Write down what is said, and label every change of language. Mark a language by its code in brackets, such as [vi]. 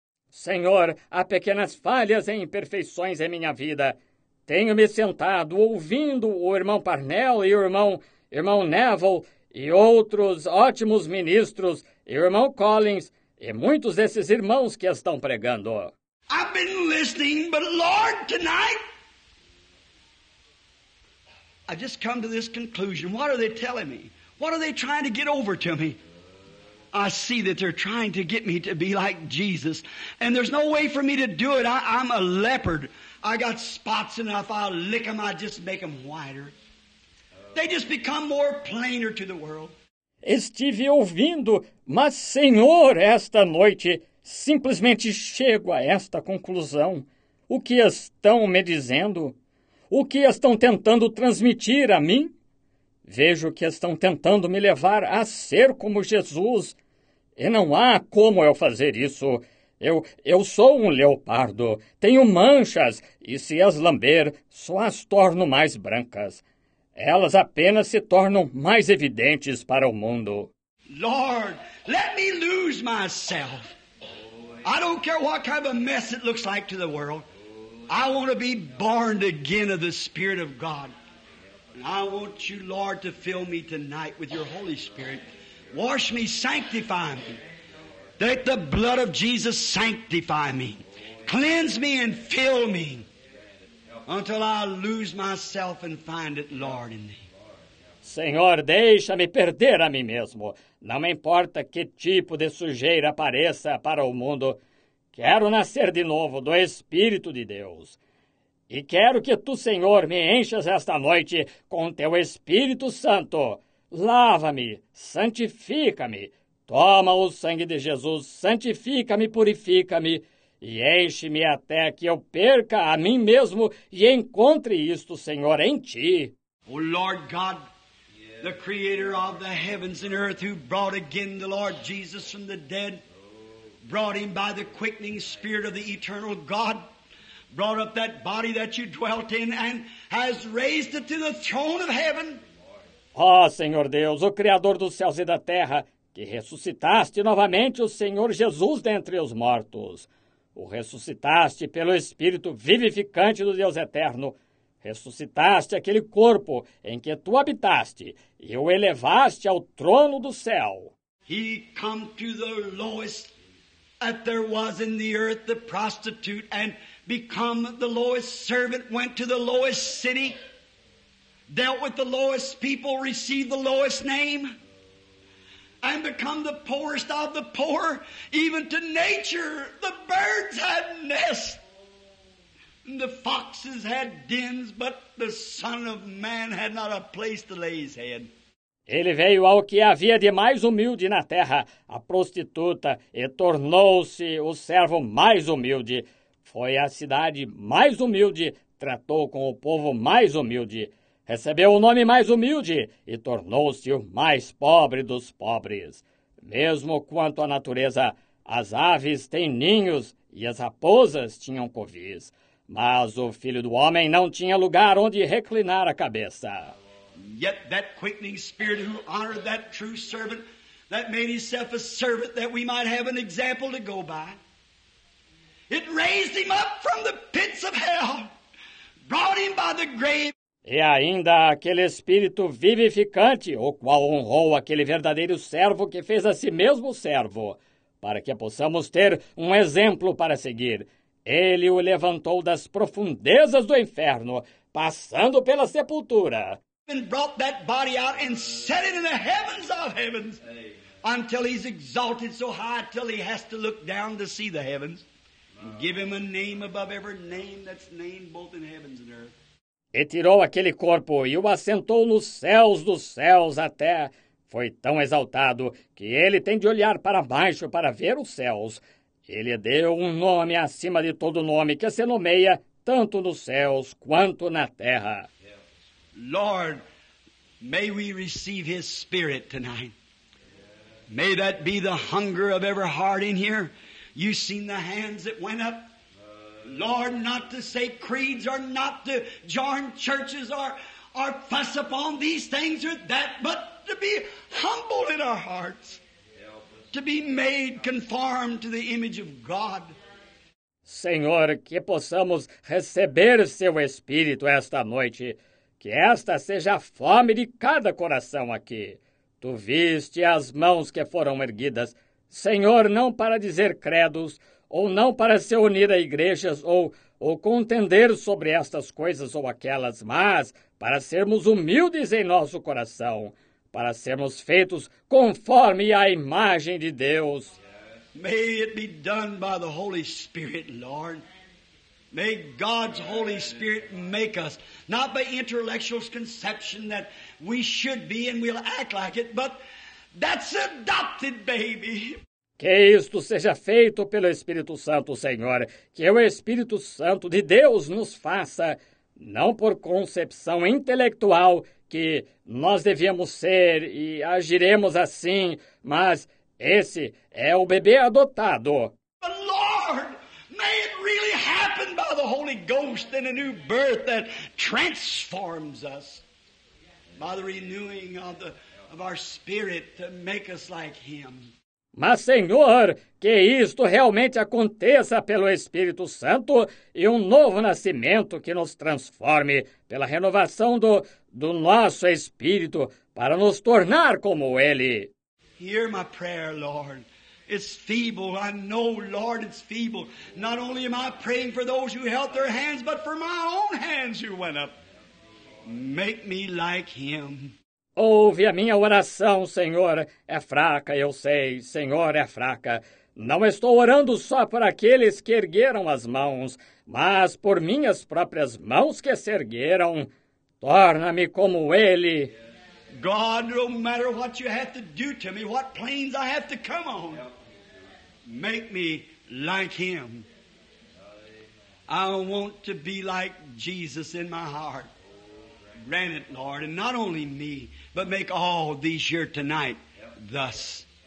[pt] Senhor, há pequenas falhas e imperfeições em minha vida. Tenho-me sentado ouvindo o irmão Parnell e o irmão Neville e outros ótimos ministros, e o irmão Collins e muitos desses irmãos que estão pregando. [en] I've been listening, but Lord, tonight I just come to this conclusion. What are they telling me? What are they trying to get over to me? I see that they're trying to get me to be like Jesus. And there's no way for me to do it. I'm a leopard. I got spots enough. I'll lick them. I just make them whiter. They just become more plainer to the world. [pt] Estive ouvindo, mas Senhor, esta noite, simplesmente chego a esta conclusão. O que estão me dizendo? O que estão tentando transmitir a mim? Vejo que estão tentando me levar a ser como Jesus. E não há como eu fazer isso. Eu sou um leopardo, tenho manchas, e se as lamber, só as torno mais brancas. Elas apenas se tornam mais evidentes para o mundo. [en] Lord, let me lose myself. I don't care what kind of mess it looks like to the world. I want to be born again of the Spirit of God. And I want you, Lord, to fill me tonight with your Holy Spirit. Wash me, sanctify me. Let the blood of Jesus sanctify me. Cleanse me and fill me. Until I lose myself and find it, Lord, in thee. [pt] Senhor, deixa-me perder a mim mesmo. Não me importa que tipo de sujeira apareça para o mundo. Quero nascer de novo do Espírito de Deus. E quero que tu, Senhor, me enchas esta noite com teu Espírito Santo. Lava-me, santifica-me. Toma o sangue de Jesus, santifica-me, purifica-me. E enche-me até que eu perca a mim mesmo e encontre isto, Senhor, em ti. [en] O Lord God, the creator of the heavens and earth, who brought again the Lord Jesus from the dead, brought him by the quickening spirit of the eternal God, brought up that body that you dwelt in and has raised it to the throne of heaven. [pt] Oh, Senhor Deus, o Criador dos céus e da terra, que ressuscitaste novamente o Senhor Jesus dentre os mortos. O ressuscitaste pelo Espírito vivificante do Deus eterno. Ressuscitaste aquele corpo em que tu habitaste e o elevaste ao trono do céu. [en] He come to the lowest that there was in the earth, the prostitute, and become the lowest servant, went to the lowest city, dealt with the lowest people, received the lowest name, and become the poorest of the poor, even to nature. The birds had nests, and the foxes had dens, but the Son of Man had not a place to lay his head. [pt] Ele veio ao que havia de mais humilde na terra, a prostituta, e tornou-se o servo mais humilde. Foi à cidade mais humilde, tratou com o povo mais humilde. Recebeu o nome mais humilde e tornou-se o mais pobre dos pobres. Mesmo quanto à natureza, as aves têm ninhos e as raposas tinham covis. Mas o Filho do Homem não tinha lugar onde reclinar a cabeça. [en] Yet that quickening spirit who honored that true servant, that made himself a servant that we might have an example to go by. It raised him up from the pits of hell, brought him by the grave. [pt] E ainda aquele Espírito vivificante, o qual honrou aquele verdadeiro servo que fez a si mesmo servo, para que possamos ter um exemplo para seguir. Ele o levantou das profundezas do inferno, passando pela sepultura. [en] And brought that body out and set it in the heavens of heavens. Amen. Until he's exalted so high till he has to look down to see the heavens. And give him a name above every name that's named both in heavens and earth. [pt] E tirou aquele corpo e o assentou nos céus dos céus até. Foi tão exaltado que ele tem de olhar para baixo para ver os céus. Ele deu um nome acima de todo nome que se nomeia tanto nos céus quanto na terra. [en] Lord, may we receive his spirit tonight. May that be the hunger of every heart in here. You've seen the hands that went up. Lord, not to say creeds or not to join churches or fuss upon these things or that, but to be humble in our hearts, to be made conformed to the image of God. [pt] Senhor, que possamos receber seu Espírito esta noite, que esta seja a fome de cada coração aqui. Tu viste as mãos que foram erguidas, Senhor, não para dizer credos, ou não para se unir a igrejas, ou contender sobre estas coisas ou aquelas, mas para sermos humildes em nosso coração, para sermos feitos conforme a imagem de Deus. [en] May it be done by the Holy Spirit, Lord. May God's Holy Spirit make us, not by intellectual conception that we should be and we'll act like it, but that's adopted, baby. [pt] Que isto seja feito pelo Espírito Santo, Senhor. Que o Espírito Santo de Deus nos faça, não por concepção intelectual que nós devíamos ser e agiremos assim, mas esse é o bebê adotado. [en] But Lord, may it really happen by the Holy Ghost in a new birth that transforms us. By the renewing of our spirit to make us like Him. [pt] Mas, Senhor, que isto realmente aconteça pelo Espírito Santo e um novo nascimento que nos transforme pela renovação do nosso Espírito para nos tornar como Ele. [en] Hear my prayer, Lord. It's feeble. I know, Lord, it's feeble. Not only am I praying for those who held their hands, but for my own hands who went up. Make me like Him. [pt] Ouve a minha oração, Senhor. É fraca, eu sei. Senhor, é fraca. Não estou orando só por aqueles que ergueram as mãos, mas por minhas próprias mãos que se ergueram. Torna-me como Ele. [en] God, no matter what you have to do to me, what planes I have to come on, make me like Him. I want to be like Jesus in my heart. Grant it, Lord, and not only me, but make all these here tonight thus.